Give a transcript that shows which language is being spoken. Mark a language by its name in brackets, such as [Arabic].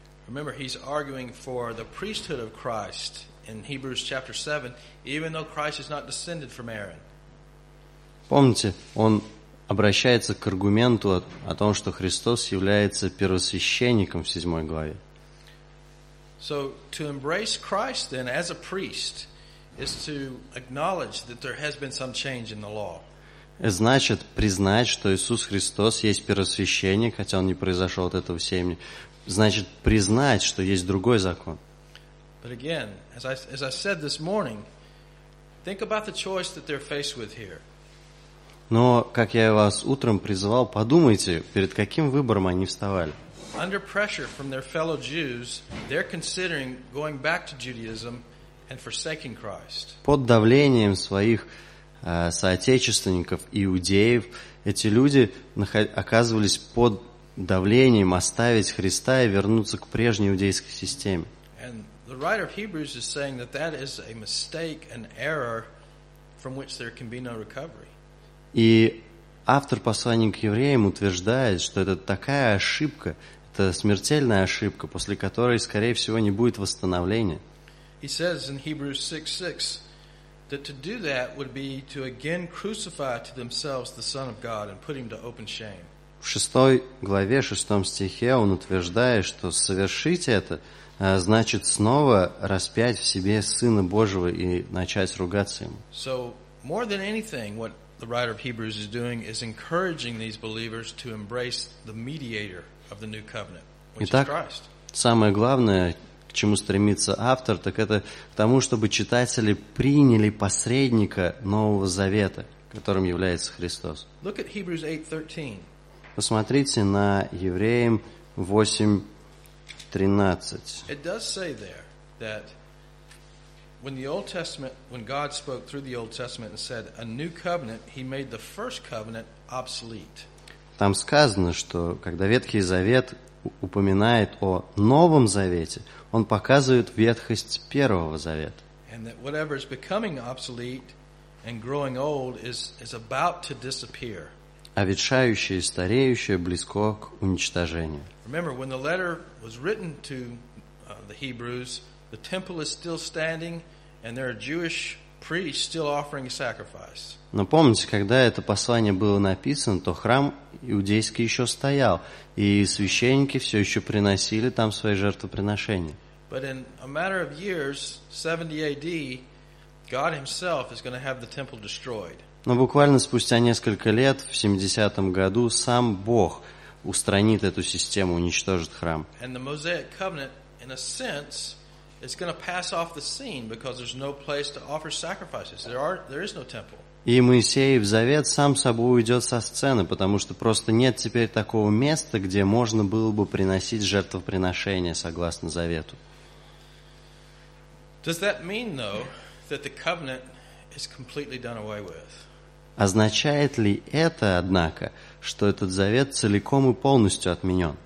[English] Remember, he's arguing for the priesthood of Christ in Hebrews chapter 7, even though Christ is not descended from Aaron. [Russian] Помните, он обращается к аргументу о том, что Христос является первосвященником в 7 главе. [English] So to embrace Christ then as a priest is to acknowledge that there has been some change in the law. [Russian] Значит, признать, что Иисус Христос есть первосвященник, хотя он не произошел от этого семени, значит признать, что есть другой закон. [English] But again, as I said this morning, think about the choice that they're faced with here. [Russian] Но, как я вас утром призывал, подумайте, перед каким выбором они вставали. [English] Under pressure from their fellow Jews, they're considering going back to Judaism and forsaking Christ. [Russian] Под давлением своих соотечественников, иудеев, эти люди оказывались под давлением оставить Христа и вернуться к прежней иудейской системе. [English] The writer of Hebrews is saying that that is a mistake, an error, from which there can be no recovery. [Russian] И автор послания к евреям утверждает, что это такая ошибка, это смертельная ошибка, после которой, скорее всего, не будет восстановления. [English] He says in Hebrews 6:6 that to do that would be to again crucify to themselves the Son of God and put him to open shame. [Russian] В 6 главе, 6 стихе он утверждает, что совершить это значит снова распять в себе Сына Божьего и начать ругаться Ему. [English] So, more than anything, what the writer of Hebrews is doing is encouraging these believers to embrace the mediator of the new covenant, which is Christ. [Russian] Итак, самое главное, к чему стремится автор, так это к тому, чтобы читатели приняли посредника Нового Завета, которым является Христос. [English] Look at Hebrews 8:13. [Russian] Посмотрите на Евреям 8:13. [English] It does say there that when the Old Testament, when God spoke through the Old Testament and said a new covenant, he made the first covenant obsolete. [Russian] Там сказано, что когда Ветхий Завет упоминает о Новом Завете, он показывает ветхость Первого Завета. [English] And that whatever is becoming obsolete and growing old is about to disappear. [Russian] А ветшающее и стареющее близко к уничтожению. [English] Remember, when the letter was written to the Hebrews, the temple is still standing, and there are Jewish priests still offering sacrifice. [Russian] Но помните, когда это послание было написано, то храм иудейский еще стоял, и священники все еще приносили там свои жертвоприношения. [English] But in a matter of years, 70 AD, God himself is going to have the temple destroyed. [Russian] Но буквально спустя несколько лет, в 70-м году, сам Бог устранит эту систему, уничтожит храм. [English] And the Mosaic covenant, in a sense, it's going to pass off the scene because there's no place to offer sacrifices. There is no temple. [Russian] И Моисеев завет сам собой уйдет со сцены, потому что просто нет теперь такого места, где можно было бы приносить жертвоприношение согласно завету. [English] Does that mean, though, that the covenant is completely done away with? [Russian] Означает ли это, однако, что этот завет целиком и полностью отменен?